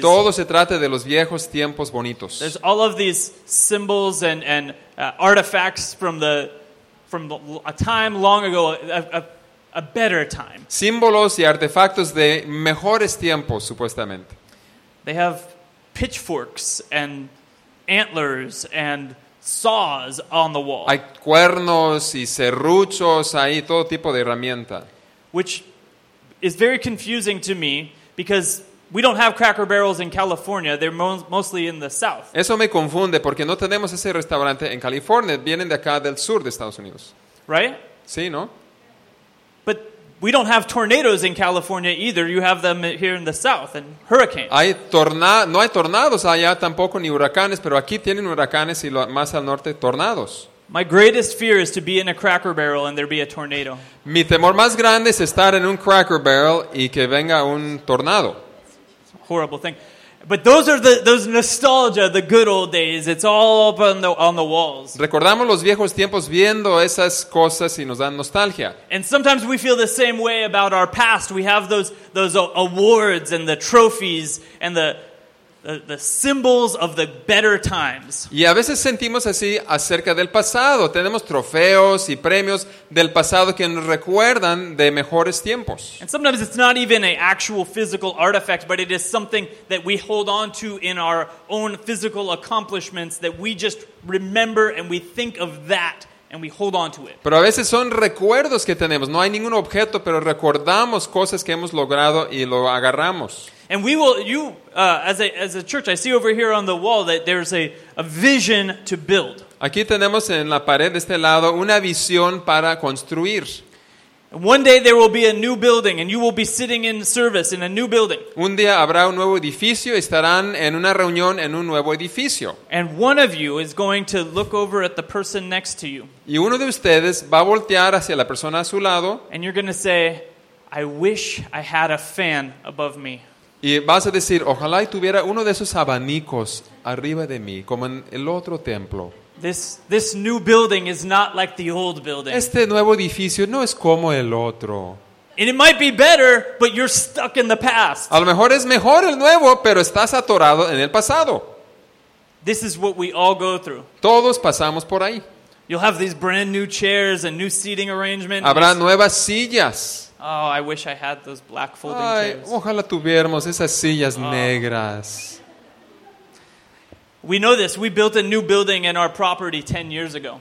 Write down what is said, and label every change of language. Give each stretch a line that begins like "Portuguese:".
Spanish: Todo se trata de los viejos tiempos bonitos.
English: There's all of these symbols and artifacts from the a time long ago. A better time.
Spanish: Símbolos y artefactos de mejores tiempos, supuestamente.
English: They have pitchforks and antlers and saws on the wall.
Spanish: Hay cuernos y serruchos ahí, todo tipo de herramienta.
English: Which is very confusing to me because we don't have Cracker Barrels in California. They're mostly in the south.
Spanish: Eso me confunde porque no tenemos ese restaurante en California. Vienen de acá del sur de Estados Unidos.
English: Right?
Spanish: Sí, ¿no?
English: We don't have tornadoes in California either. You have them here in the south and hurricanes.
Spanish: No hay tornados allá tampoco ni huracanes, pero aquí tienen huracanes y más al norte tornados.
English: My greatest fear is to be in a Cracker Barrel and there be a tornado.
Spanish: Mi temor más grande es estar en un Cracker Barrel y que venga un tornado.
English: Horrible thing. But those are those nostalgia, the good old days. It's all up on the walls.
Spanish: Recordamos los viejos tiempos viendo esas cosas y nos dan nostalgia.
English: And sometimes we feel the same way about our past. We have those awards and the trophies and the symbols of the better times.
Spanish: Y a veces sentimos así acerca del pasado. Tenemos trofeos y premios del pasado que nos recuerdan de mejores tiempos.
English: And sometimes it's not even an actual physical artifact, but it is something that we hold on to in our own physical accomplishments that we just remember and we think of that and we hold on to it.
Spanish: Pero a veces son recuerdos que tenemos. No hay ningún objeto, pero recordamos cosas que hemos logrado y lo agarramos.
English: And we will, as a church, I see over here on the wall that there's a vision to build.
Spanish: Aquí tenemos en la pared de este lado una visión para construir.
English: One day there will be a new building and you will be sitting in service in a new building.
Spanish: Un día habrá un nuevo edificio y estarán en una reunión en un nuevo edificio.
English: And one of you is going to look over at the person next to you.
Spanish: Y uno de ustedes va a voltear hacia la persona a su lado.
English: And you're going to say, I wish I had a fan above me.
Spanish: Y vas a decir, ojalá y tuviera uno de esos abanicos arriba de mí, como en el otro templo.
English: This new building is not like the old building.
Spanish: Este nuevo edificio no es como el otro.
English: And it might be better, but you're stuck in the past.
Spanish: A lo mejor es mejor el nuevo, pero estás atorado en el pasado.
English: This is what we all go through.
Spanish: Todos pasamos por ahí.
English: You'll have these brand new chairs and new seating arrangements.
Spanish: Habrá nuevas sillas.
English: Oh, I wish I had those black folding chairs.
Spanish: Ojalá tuviéramos esas sillas negras.
English: We know this. We built a new building in our property 10 years ago.